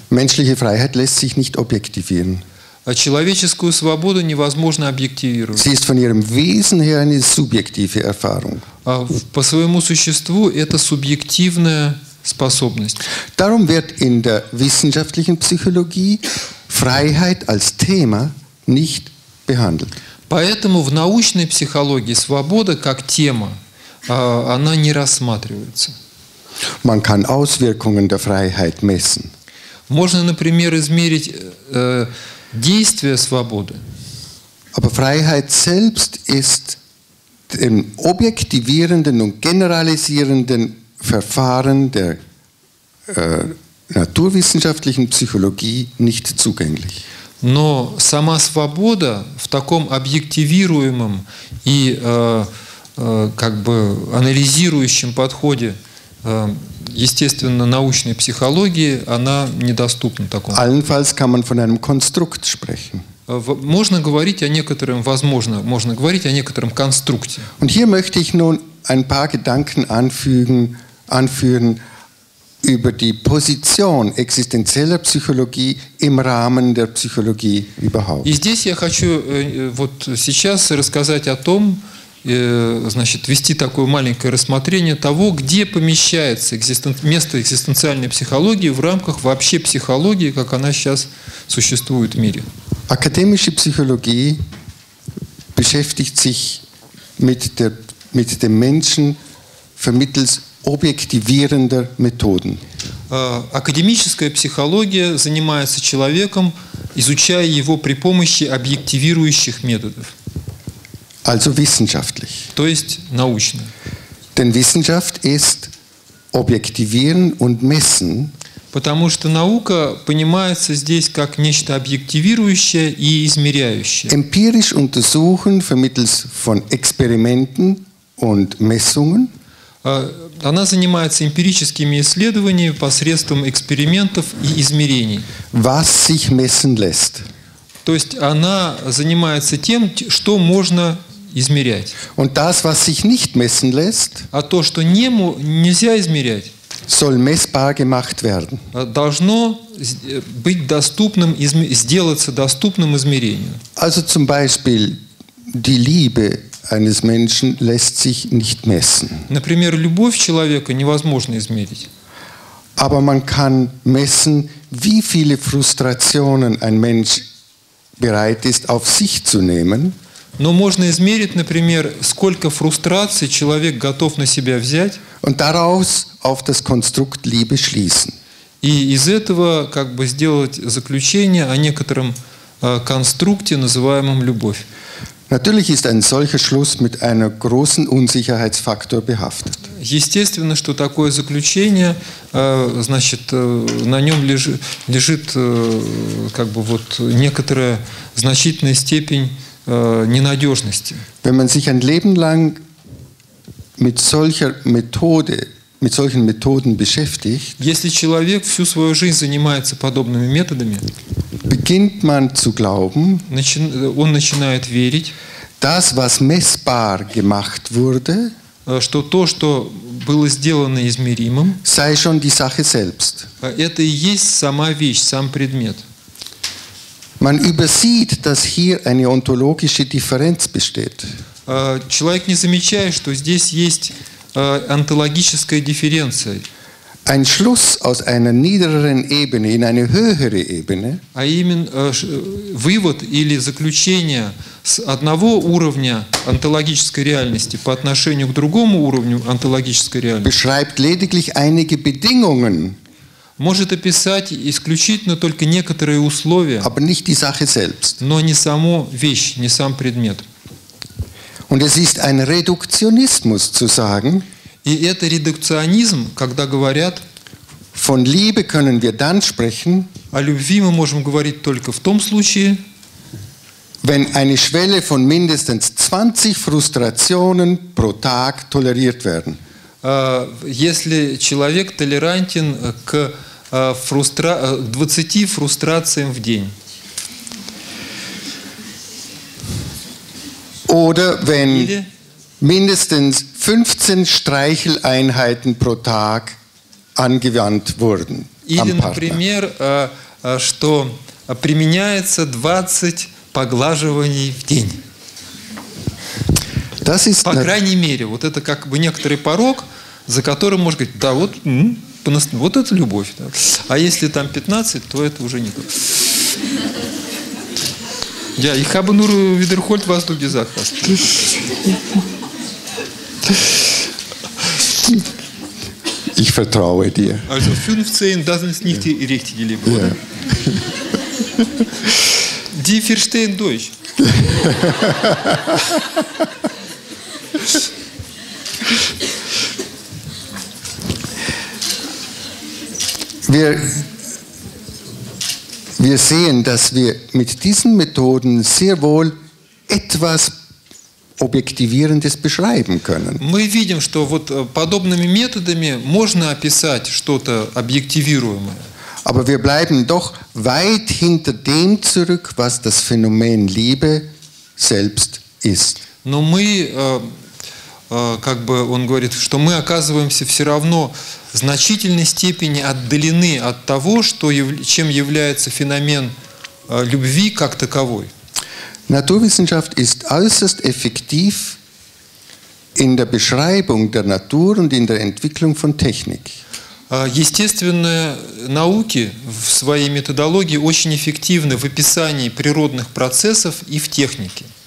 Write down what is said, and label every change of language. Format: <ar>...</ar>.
<de>Menschliche Freiheit lässt sich nicht objektivieren.</de> <ru>А человеческую свободу невозможно объективировать.</ru> <de>Sie ist von ihrem Wesen her eine subjektive Erfahrung.</de> <ru>А по своему существу это субъективная способность.</ru> <de>Darum wird in der wissenschaftlichen Psychologie Freiheit als Thema nicht behandelt.</de> <ru>Поэтому в научной психологии свобода как тема, она не рассматривается.</ru> <de>Man kann Auswirkungen der Freiheit messen.</de> <ru>Можно, например, измерить действие свободы.</ru> <de>Aber Freiheit selbst ist im objektivierenden und generalisierenden Verfahren der naturwissenschaftlichen Psychologie nicht zugänglich.</de> <ru>Но сама свобода в таком объективируемом и как бы анализирующем подходе естественно, научной психологии, она недоступна такому.</ru> <de>Allenfalls kann man von einem Konstrukt sprechen.</de> <ru>Можно говорить о некотором, возможно, можно говорить о некотором конструкте.</ru> <de>Und hier möchte ich nun ein paar Gedanken anführen über die Position existenzieller Psychologie im Rahmen der Psychologie überhaupt.</de> <ru>И здесь я хочу вот сейчас рассказать о том, значит, вести такое маленькое рассмотрение того, где помещается место экзистенциальной психологии в рамках вообще психологии, как она сейчас существует в мире. Академическая психология</ru> <de>beschäftigt sich mit dem Menschen vermittels objektivierender Methoden.</de> <ru>Академическая психология занимается человеком, изучая его при помощи объективирующих методов.</ru> <de>Also wissenschaftlich.</de> <ru>То есть научно.</ru> <de>Denn Wissenschaft ist objektivieren und messen.</de> <ru>Потому что наука понимается здесь как нечто объективирующее и измеряющее.</ru> <de>Empirisch untersuchen vermittels von Experimenten und Messungen.</de> <ru>Она занимается эмпирическими исследованиями посредством экспериментов и измерений.</ru> <de>Was sich messen lässt.</de> <ru>То есть она занимается тем, что можно измерять.</ru> <de>Und das, was sich nicht messen lässt,</de> <ru>а то, что нельзя измерять,</ru> <de>soll messbar gemacht werden.</de> <ru>Должно быть доступным, сделаться доступным измерению.</ru> <de>Also zum Beispiel die Liebe eines Menschen lässt sich nicht messen.</de> <ru>Например, любовь человека невозможно измерить.</ru> <de>Aber man kann messen, wie viele Frustrationen ein Mensch bereit ist, auf sich zu nehmen.</de> <ru>Но можно измерить, например, сколько фрустраций человек готов на себя взять.</ru> <de>Und daraus auf das Konstrukt Liebe schließen.</de> <ru>И из этого как бы сделать заключение о некотором конструкте, называемом любовь.</ru> <de>Natürlich ist ein solcher Schluss mit einem großen Unsicherheitsfaktor behaftet.</de> <ru>Естественно, что такое заключение, значит, на нем лежит как бы вот некоторая значительная степень ненадежности.</ru> <de>Wenn man sich ein Leben lang mit solcher Methode, mit solchen Methoden beschäftigt,</de> <ru>если человек всю свою жизнь занимается подобными методами,</ru> <de>beginnt man zu glauben,</de> <ru>он начинает верить,</ru> <de>das, was messbar gemacht wurde,</de> <ru>что то, что было сделано измеримым,</ru> <de>sei schon die Sache selbst.</de> <ru>Это и есть сама вещь, сам предмет.</ru> <de>Man übersieht, dass hier eine ontologische Differenz besteht.</de> <ru>Человек не замечает, что здесь есть онтологическая дифференция.</ru> <de>Ein Schluss aus einer niederen Ebene in eine höhere Ebene.</de> <ru>А именно вывод или заключение с одного уровня онтологической реальности по отношению к другому уровню онтологической реальности.</ru> <de>Beschreibt lediglich einige Bedingungen.</de> <ru>Может описать исключительно только некоторые условия.</ru> <de>Aber nicht die Sache selbst.</de> <ru>Но не саму вещь, не сам предмет.</ru> <de>Und es ist ein Reduktionismus zu sagen.</de> <ru>И это редукционизм, когда говорят,</ru> <de>von Liebe können wir dann sprechen,</de> <ru>о любви мы можем говорить только в том случае,</ru> <de>wenn eine Schwelle von mindestens 20 Frustrationen pro Tag toleriert werden.</de> <ru>Если человек толерантен к 20 фрустрациям в день.</ru> <de>Oder wenn mindestens 15 Streicheleinheiten pro Tag angewandt wurden.</de> <ru>Или, например, что применяется 20 поглаживаний в день.</ru> <de>Das ist</de> <ru>по крайней мере, вот это как бы некоторый порог, за которым можно говорить, да, вот, вот это любовь. Да. А если там 15, то это уже не то.</ru> <de>Ja, ich habe nur wiederholt, was du gesagt hast. Ich vertraue dir. Also 15, das ist nicht die richtige Liebe, oder? Die verstehen Deutsch. Wir sehen, dass wir mit diesen Methoden sehr wohl etwas Objektivierendes beschreiben können.</de> <ru>Мы видим, что вот подобными методами можно описать что-то объективируемое.</ru> <de>Aber wir bleiben doch weit hinter dem zurück, was das Phänomen Liebe selbst ist.</de> <ru>Но мы, как бы он говорит, что мы оказываемся все равно в значительной степени отдалены от того, что, чем является феномен любви как таковой.</ru> <de>Naturwissenschaft ist äußerst effektiv in der Beschreibung der Natur und in der Entwicklung von Technik.</de> <ru>Естественные науки в своей методологии очень эффективны в описании природных процессов и в технике.</ru>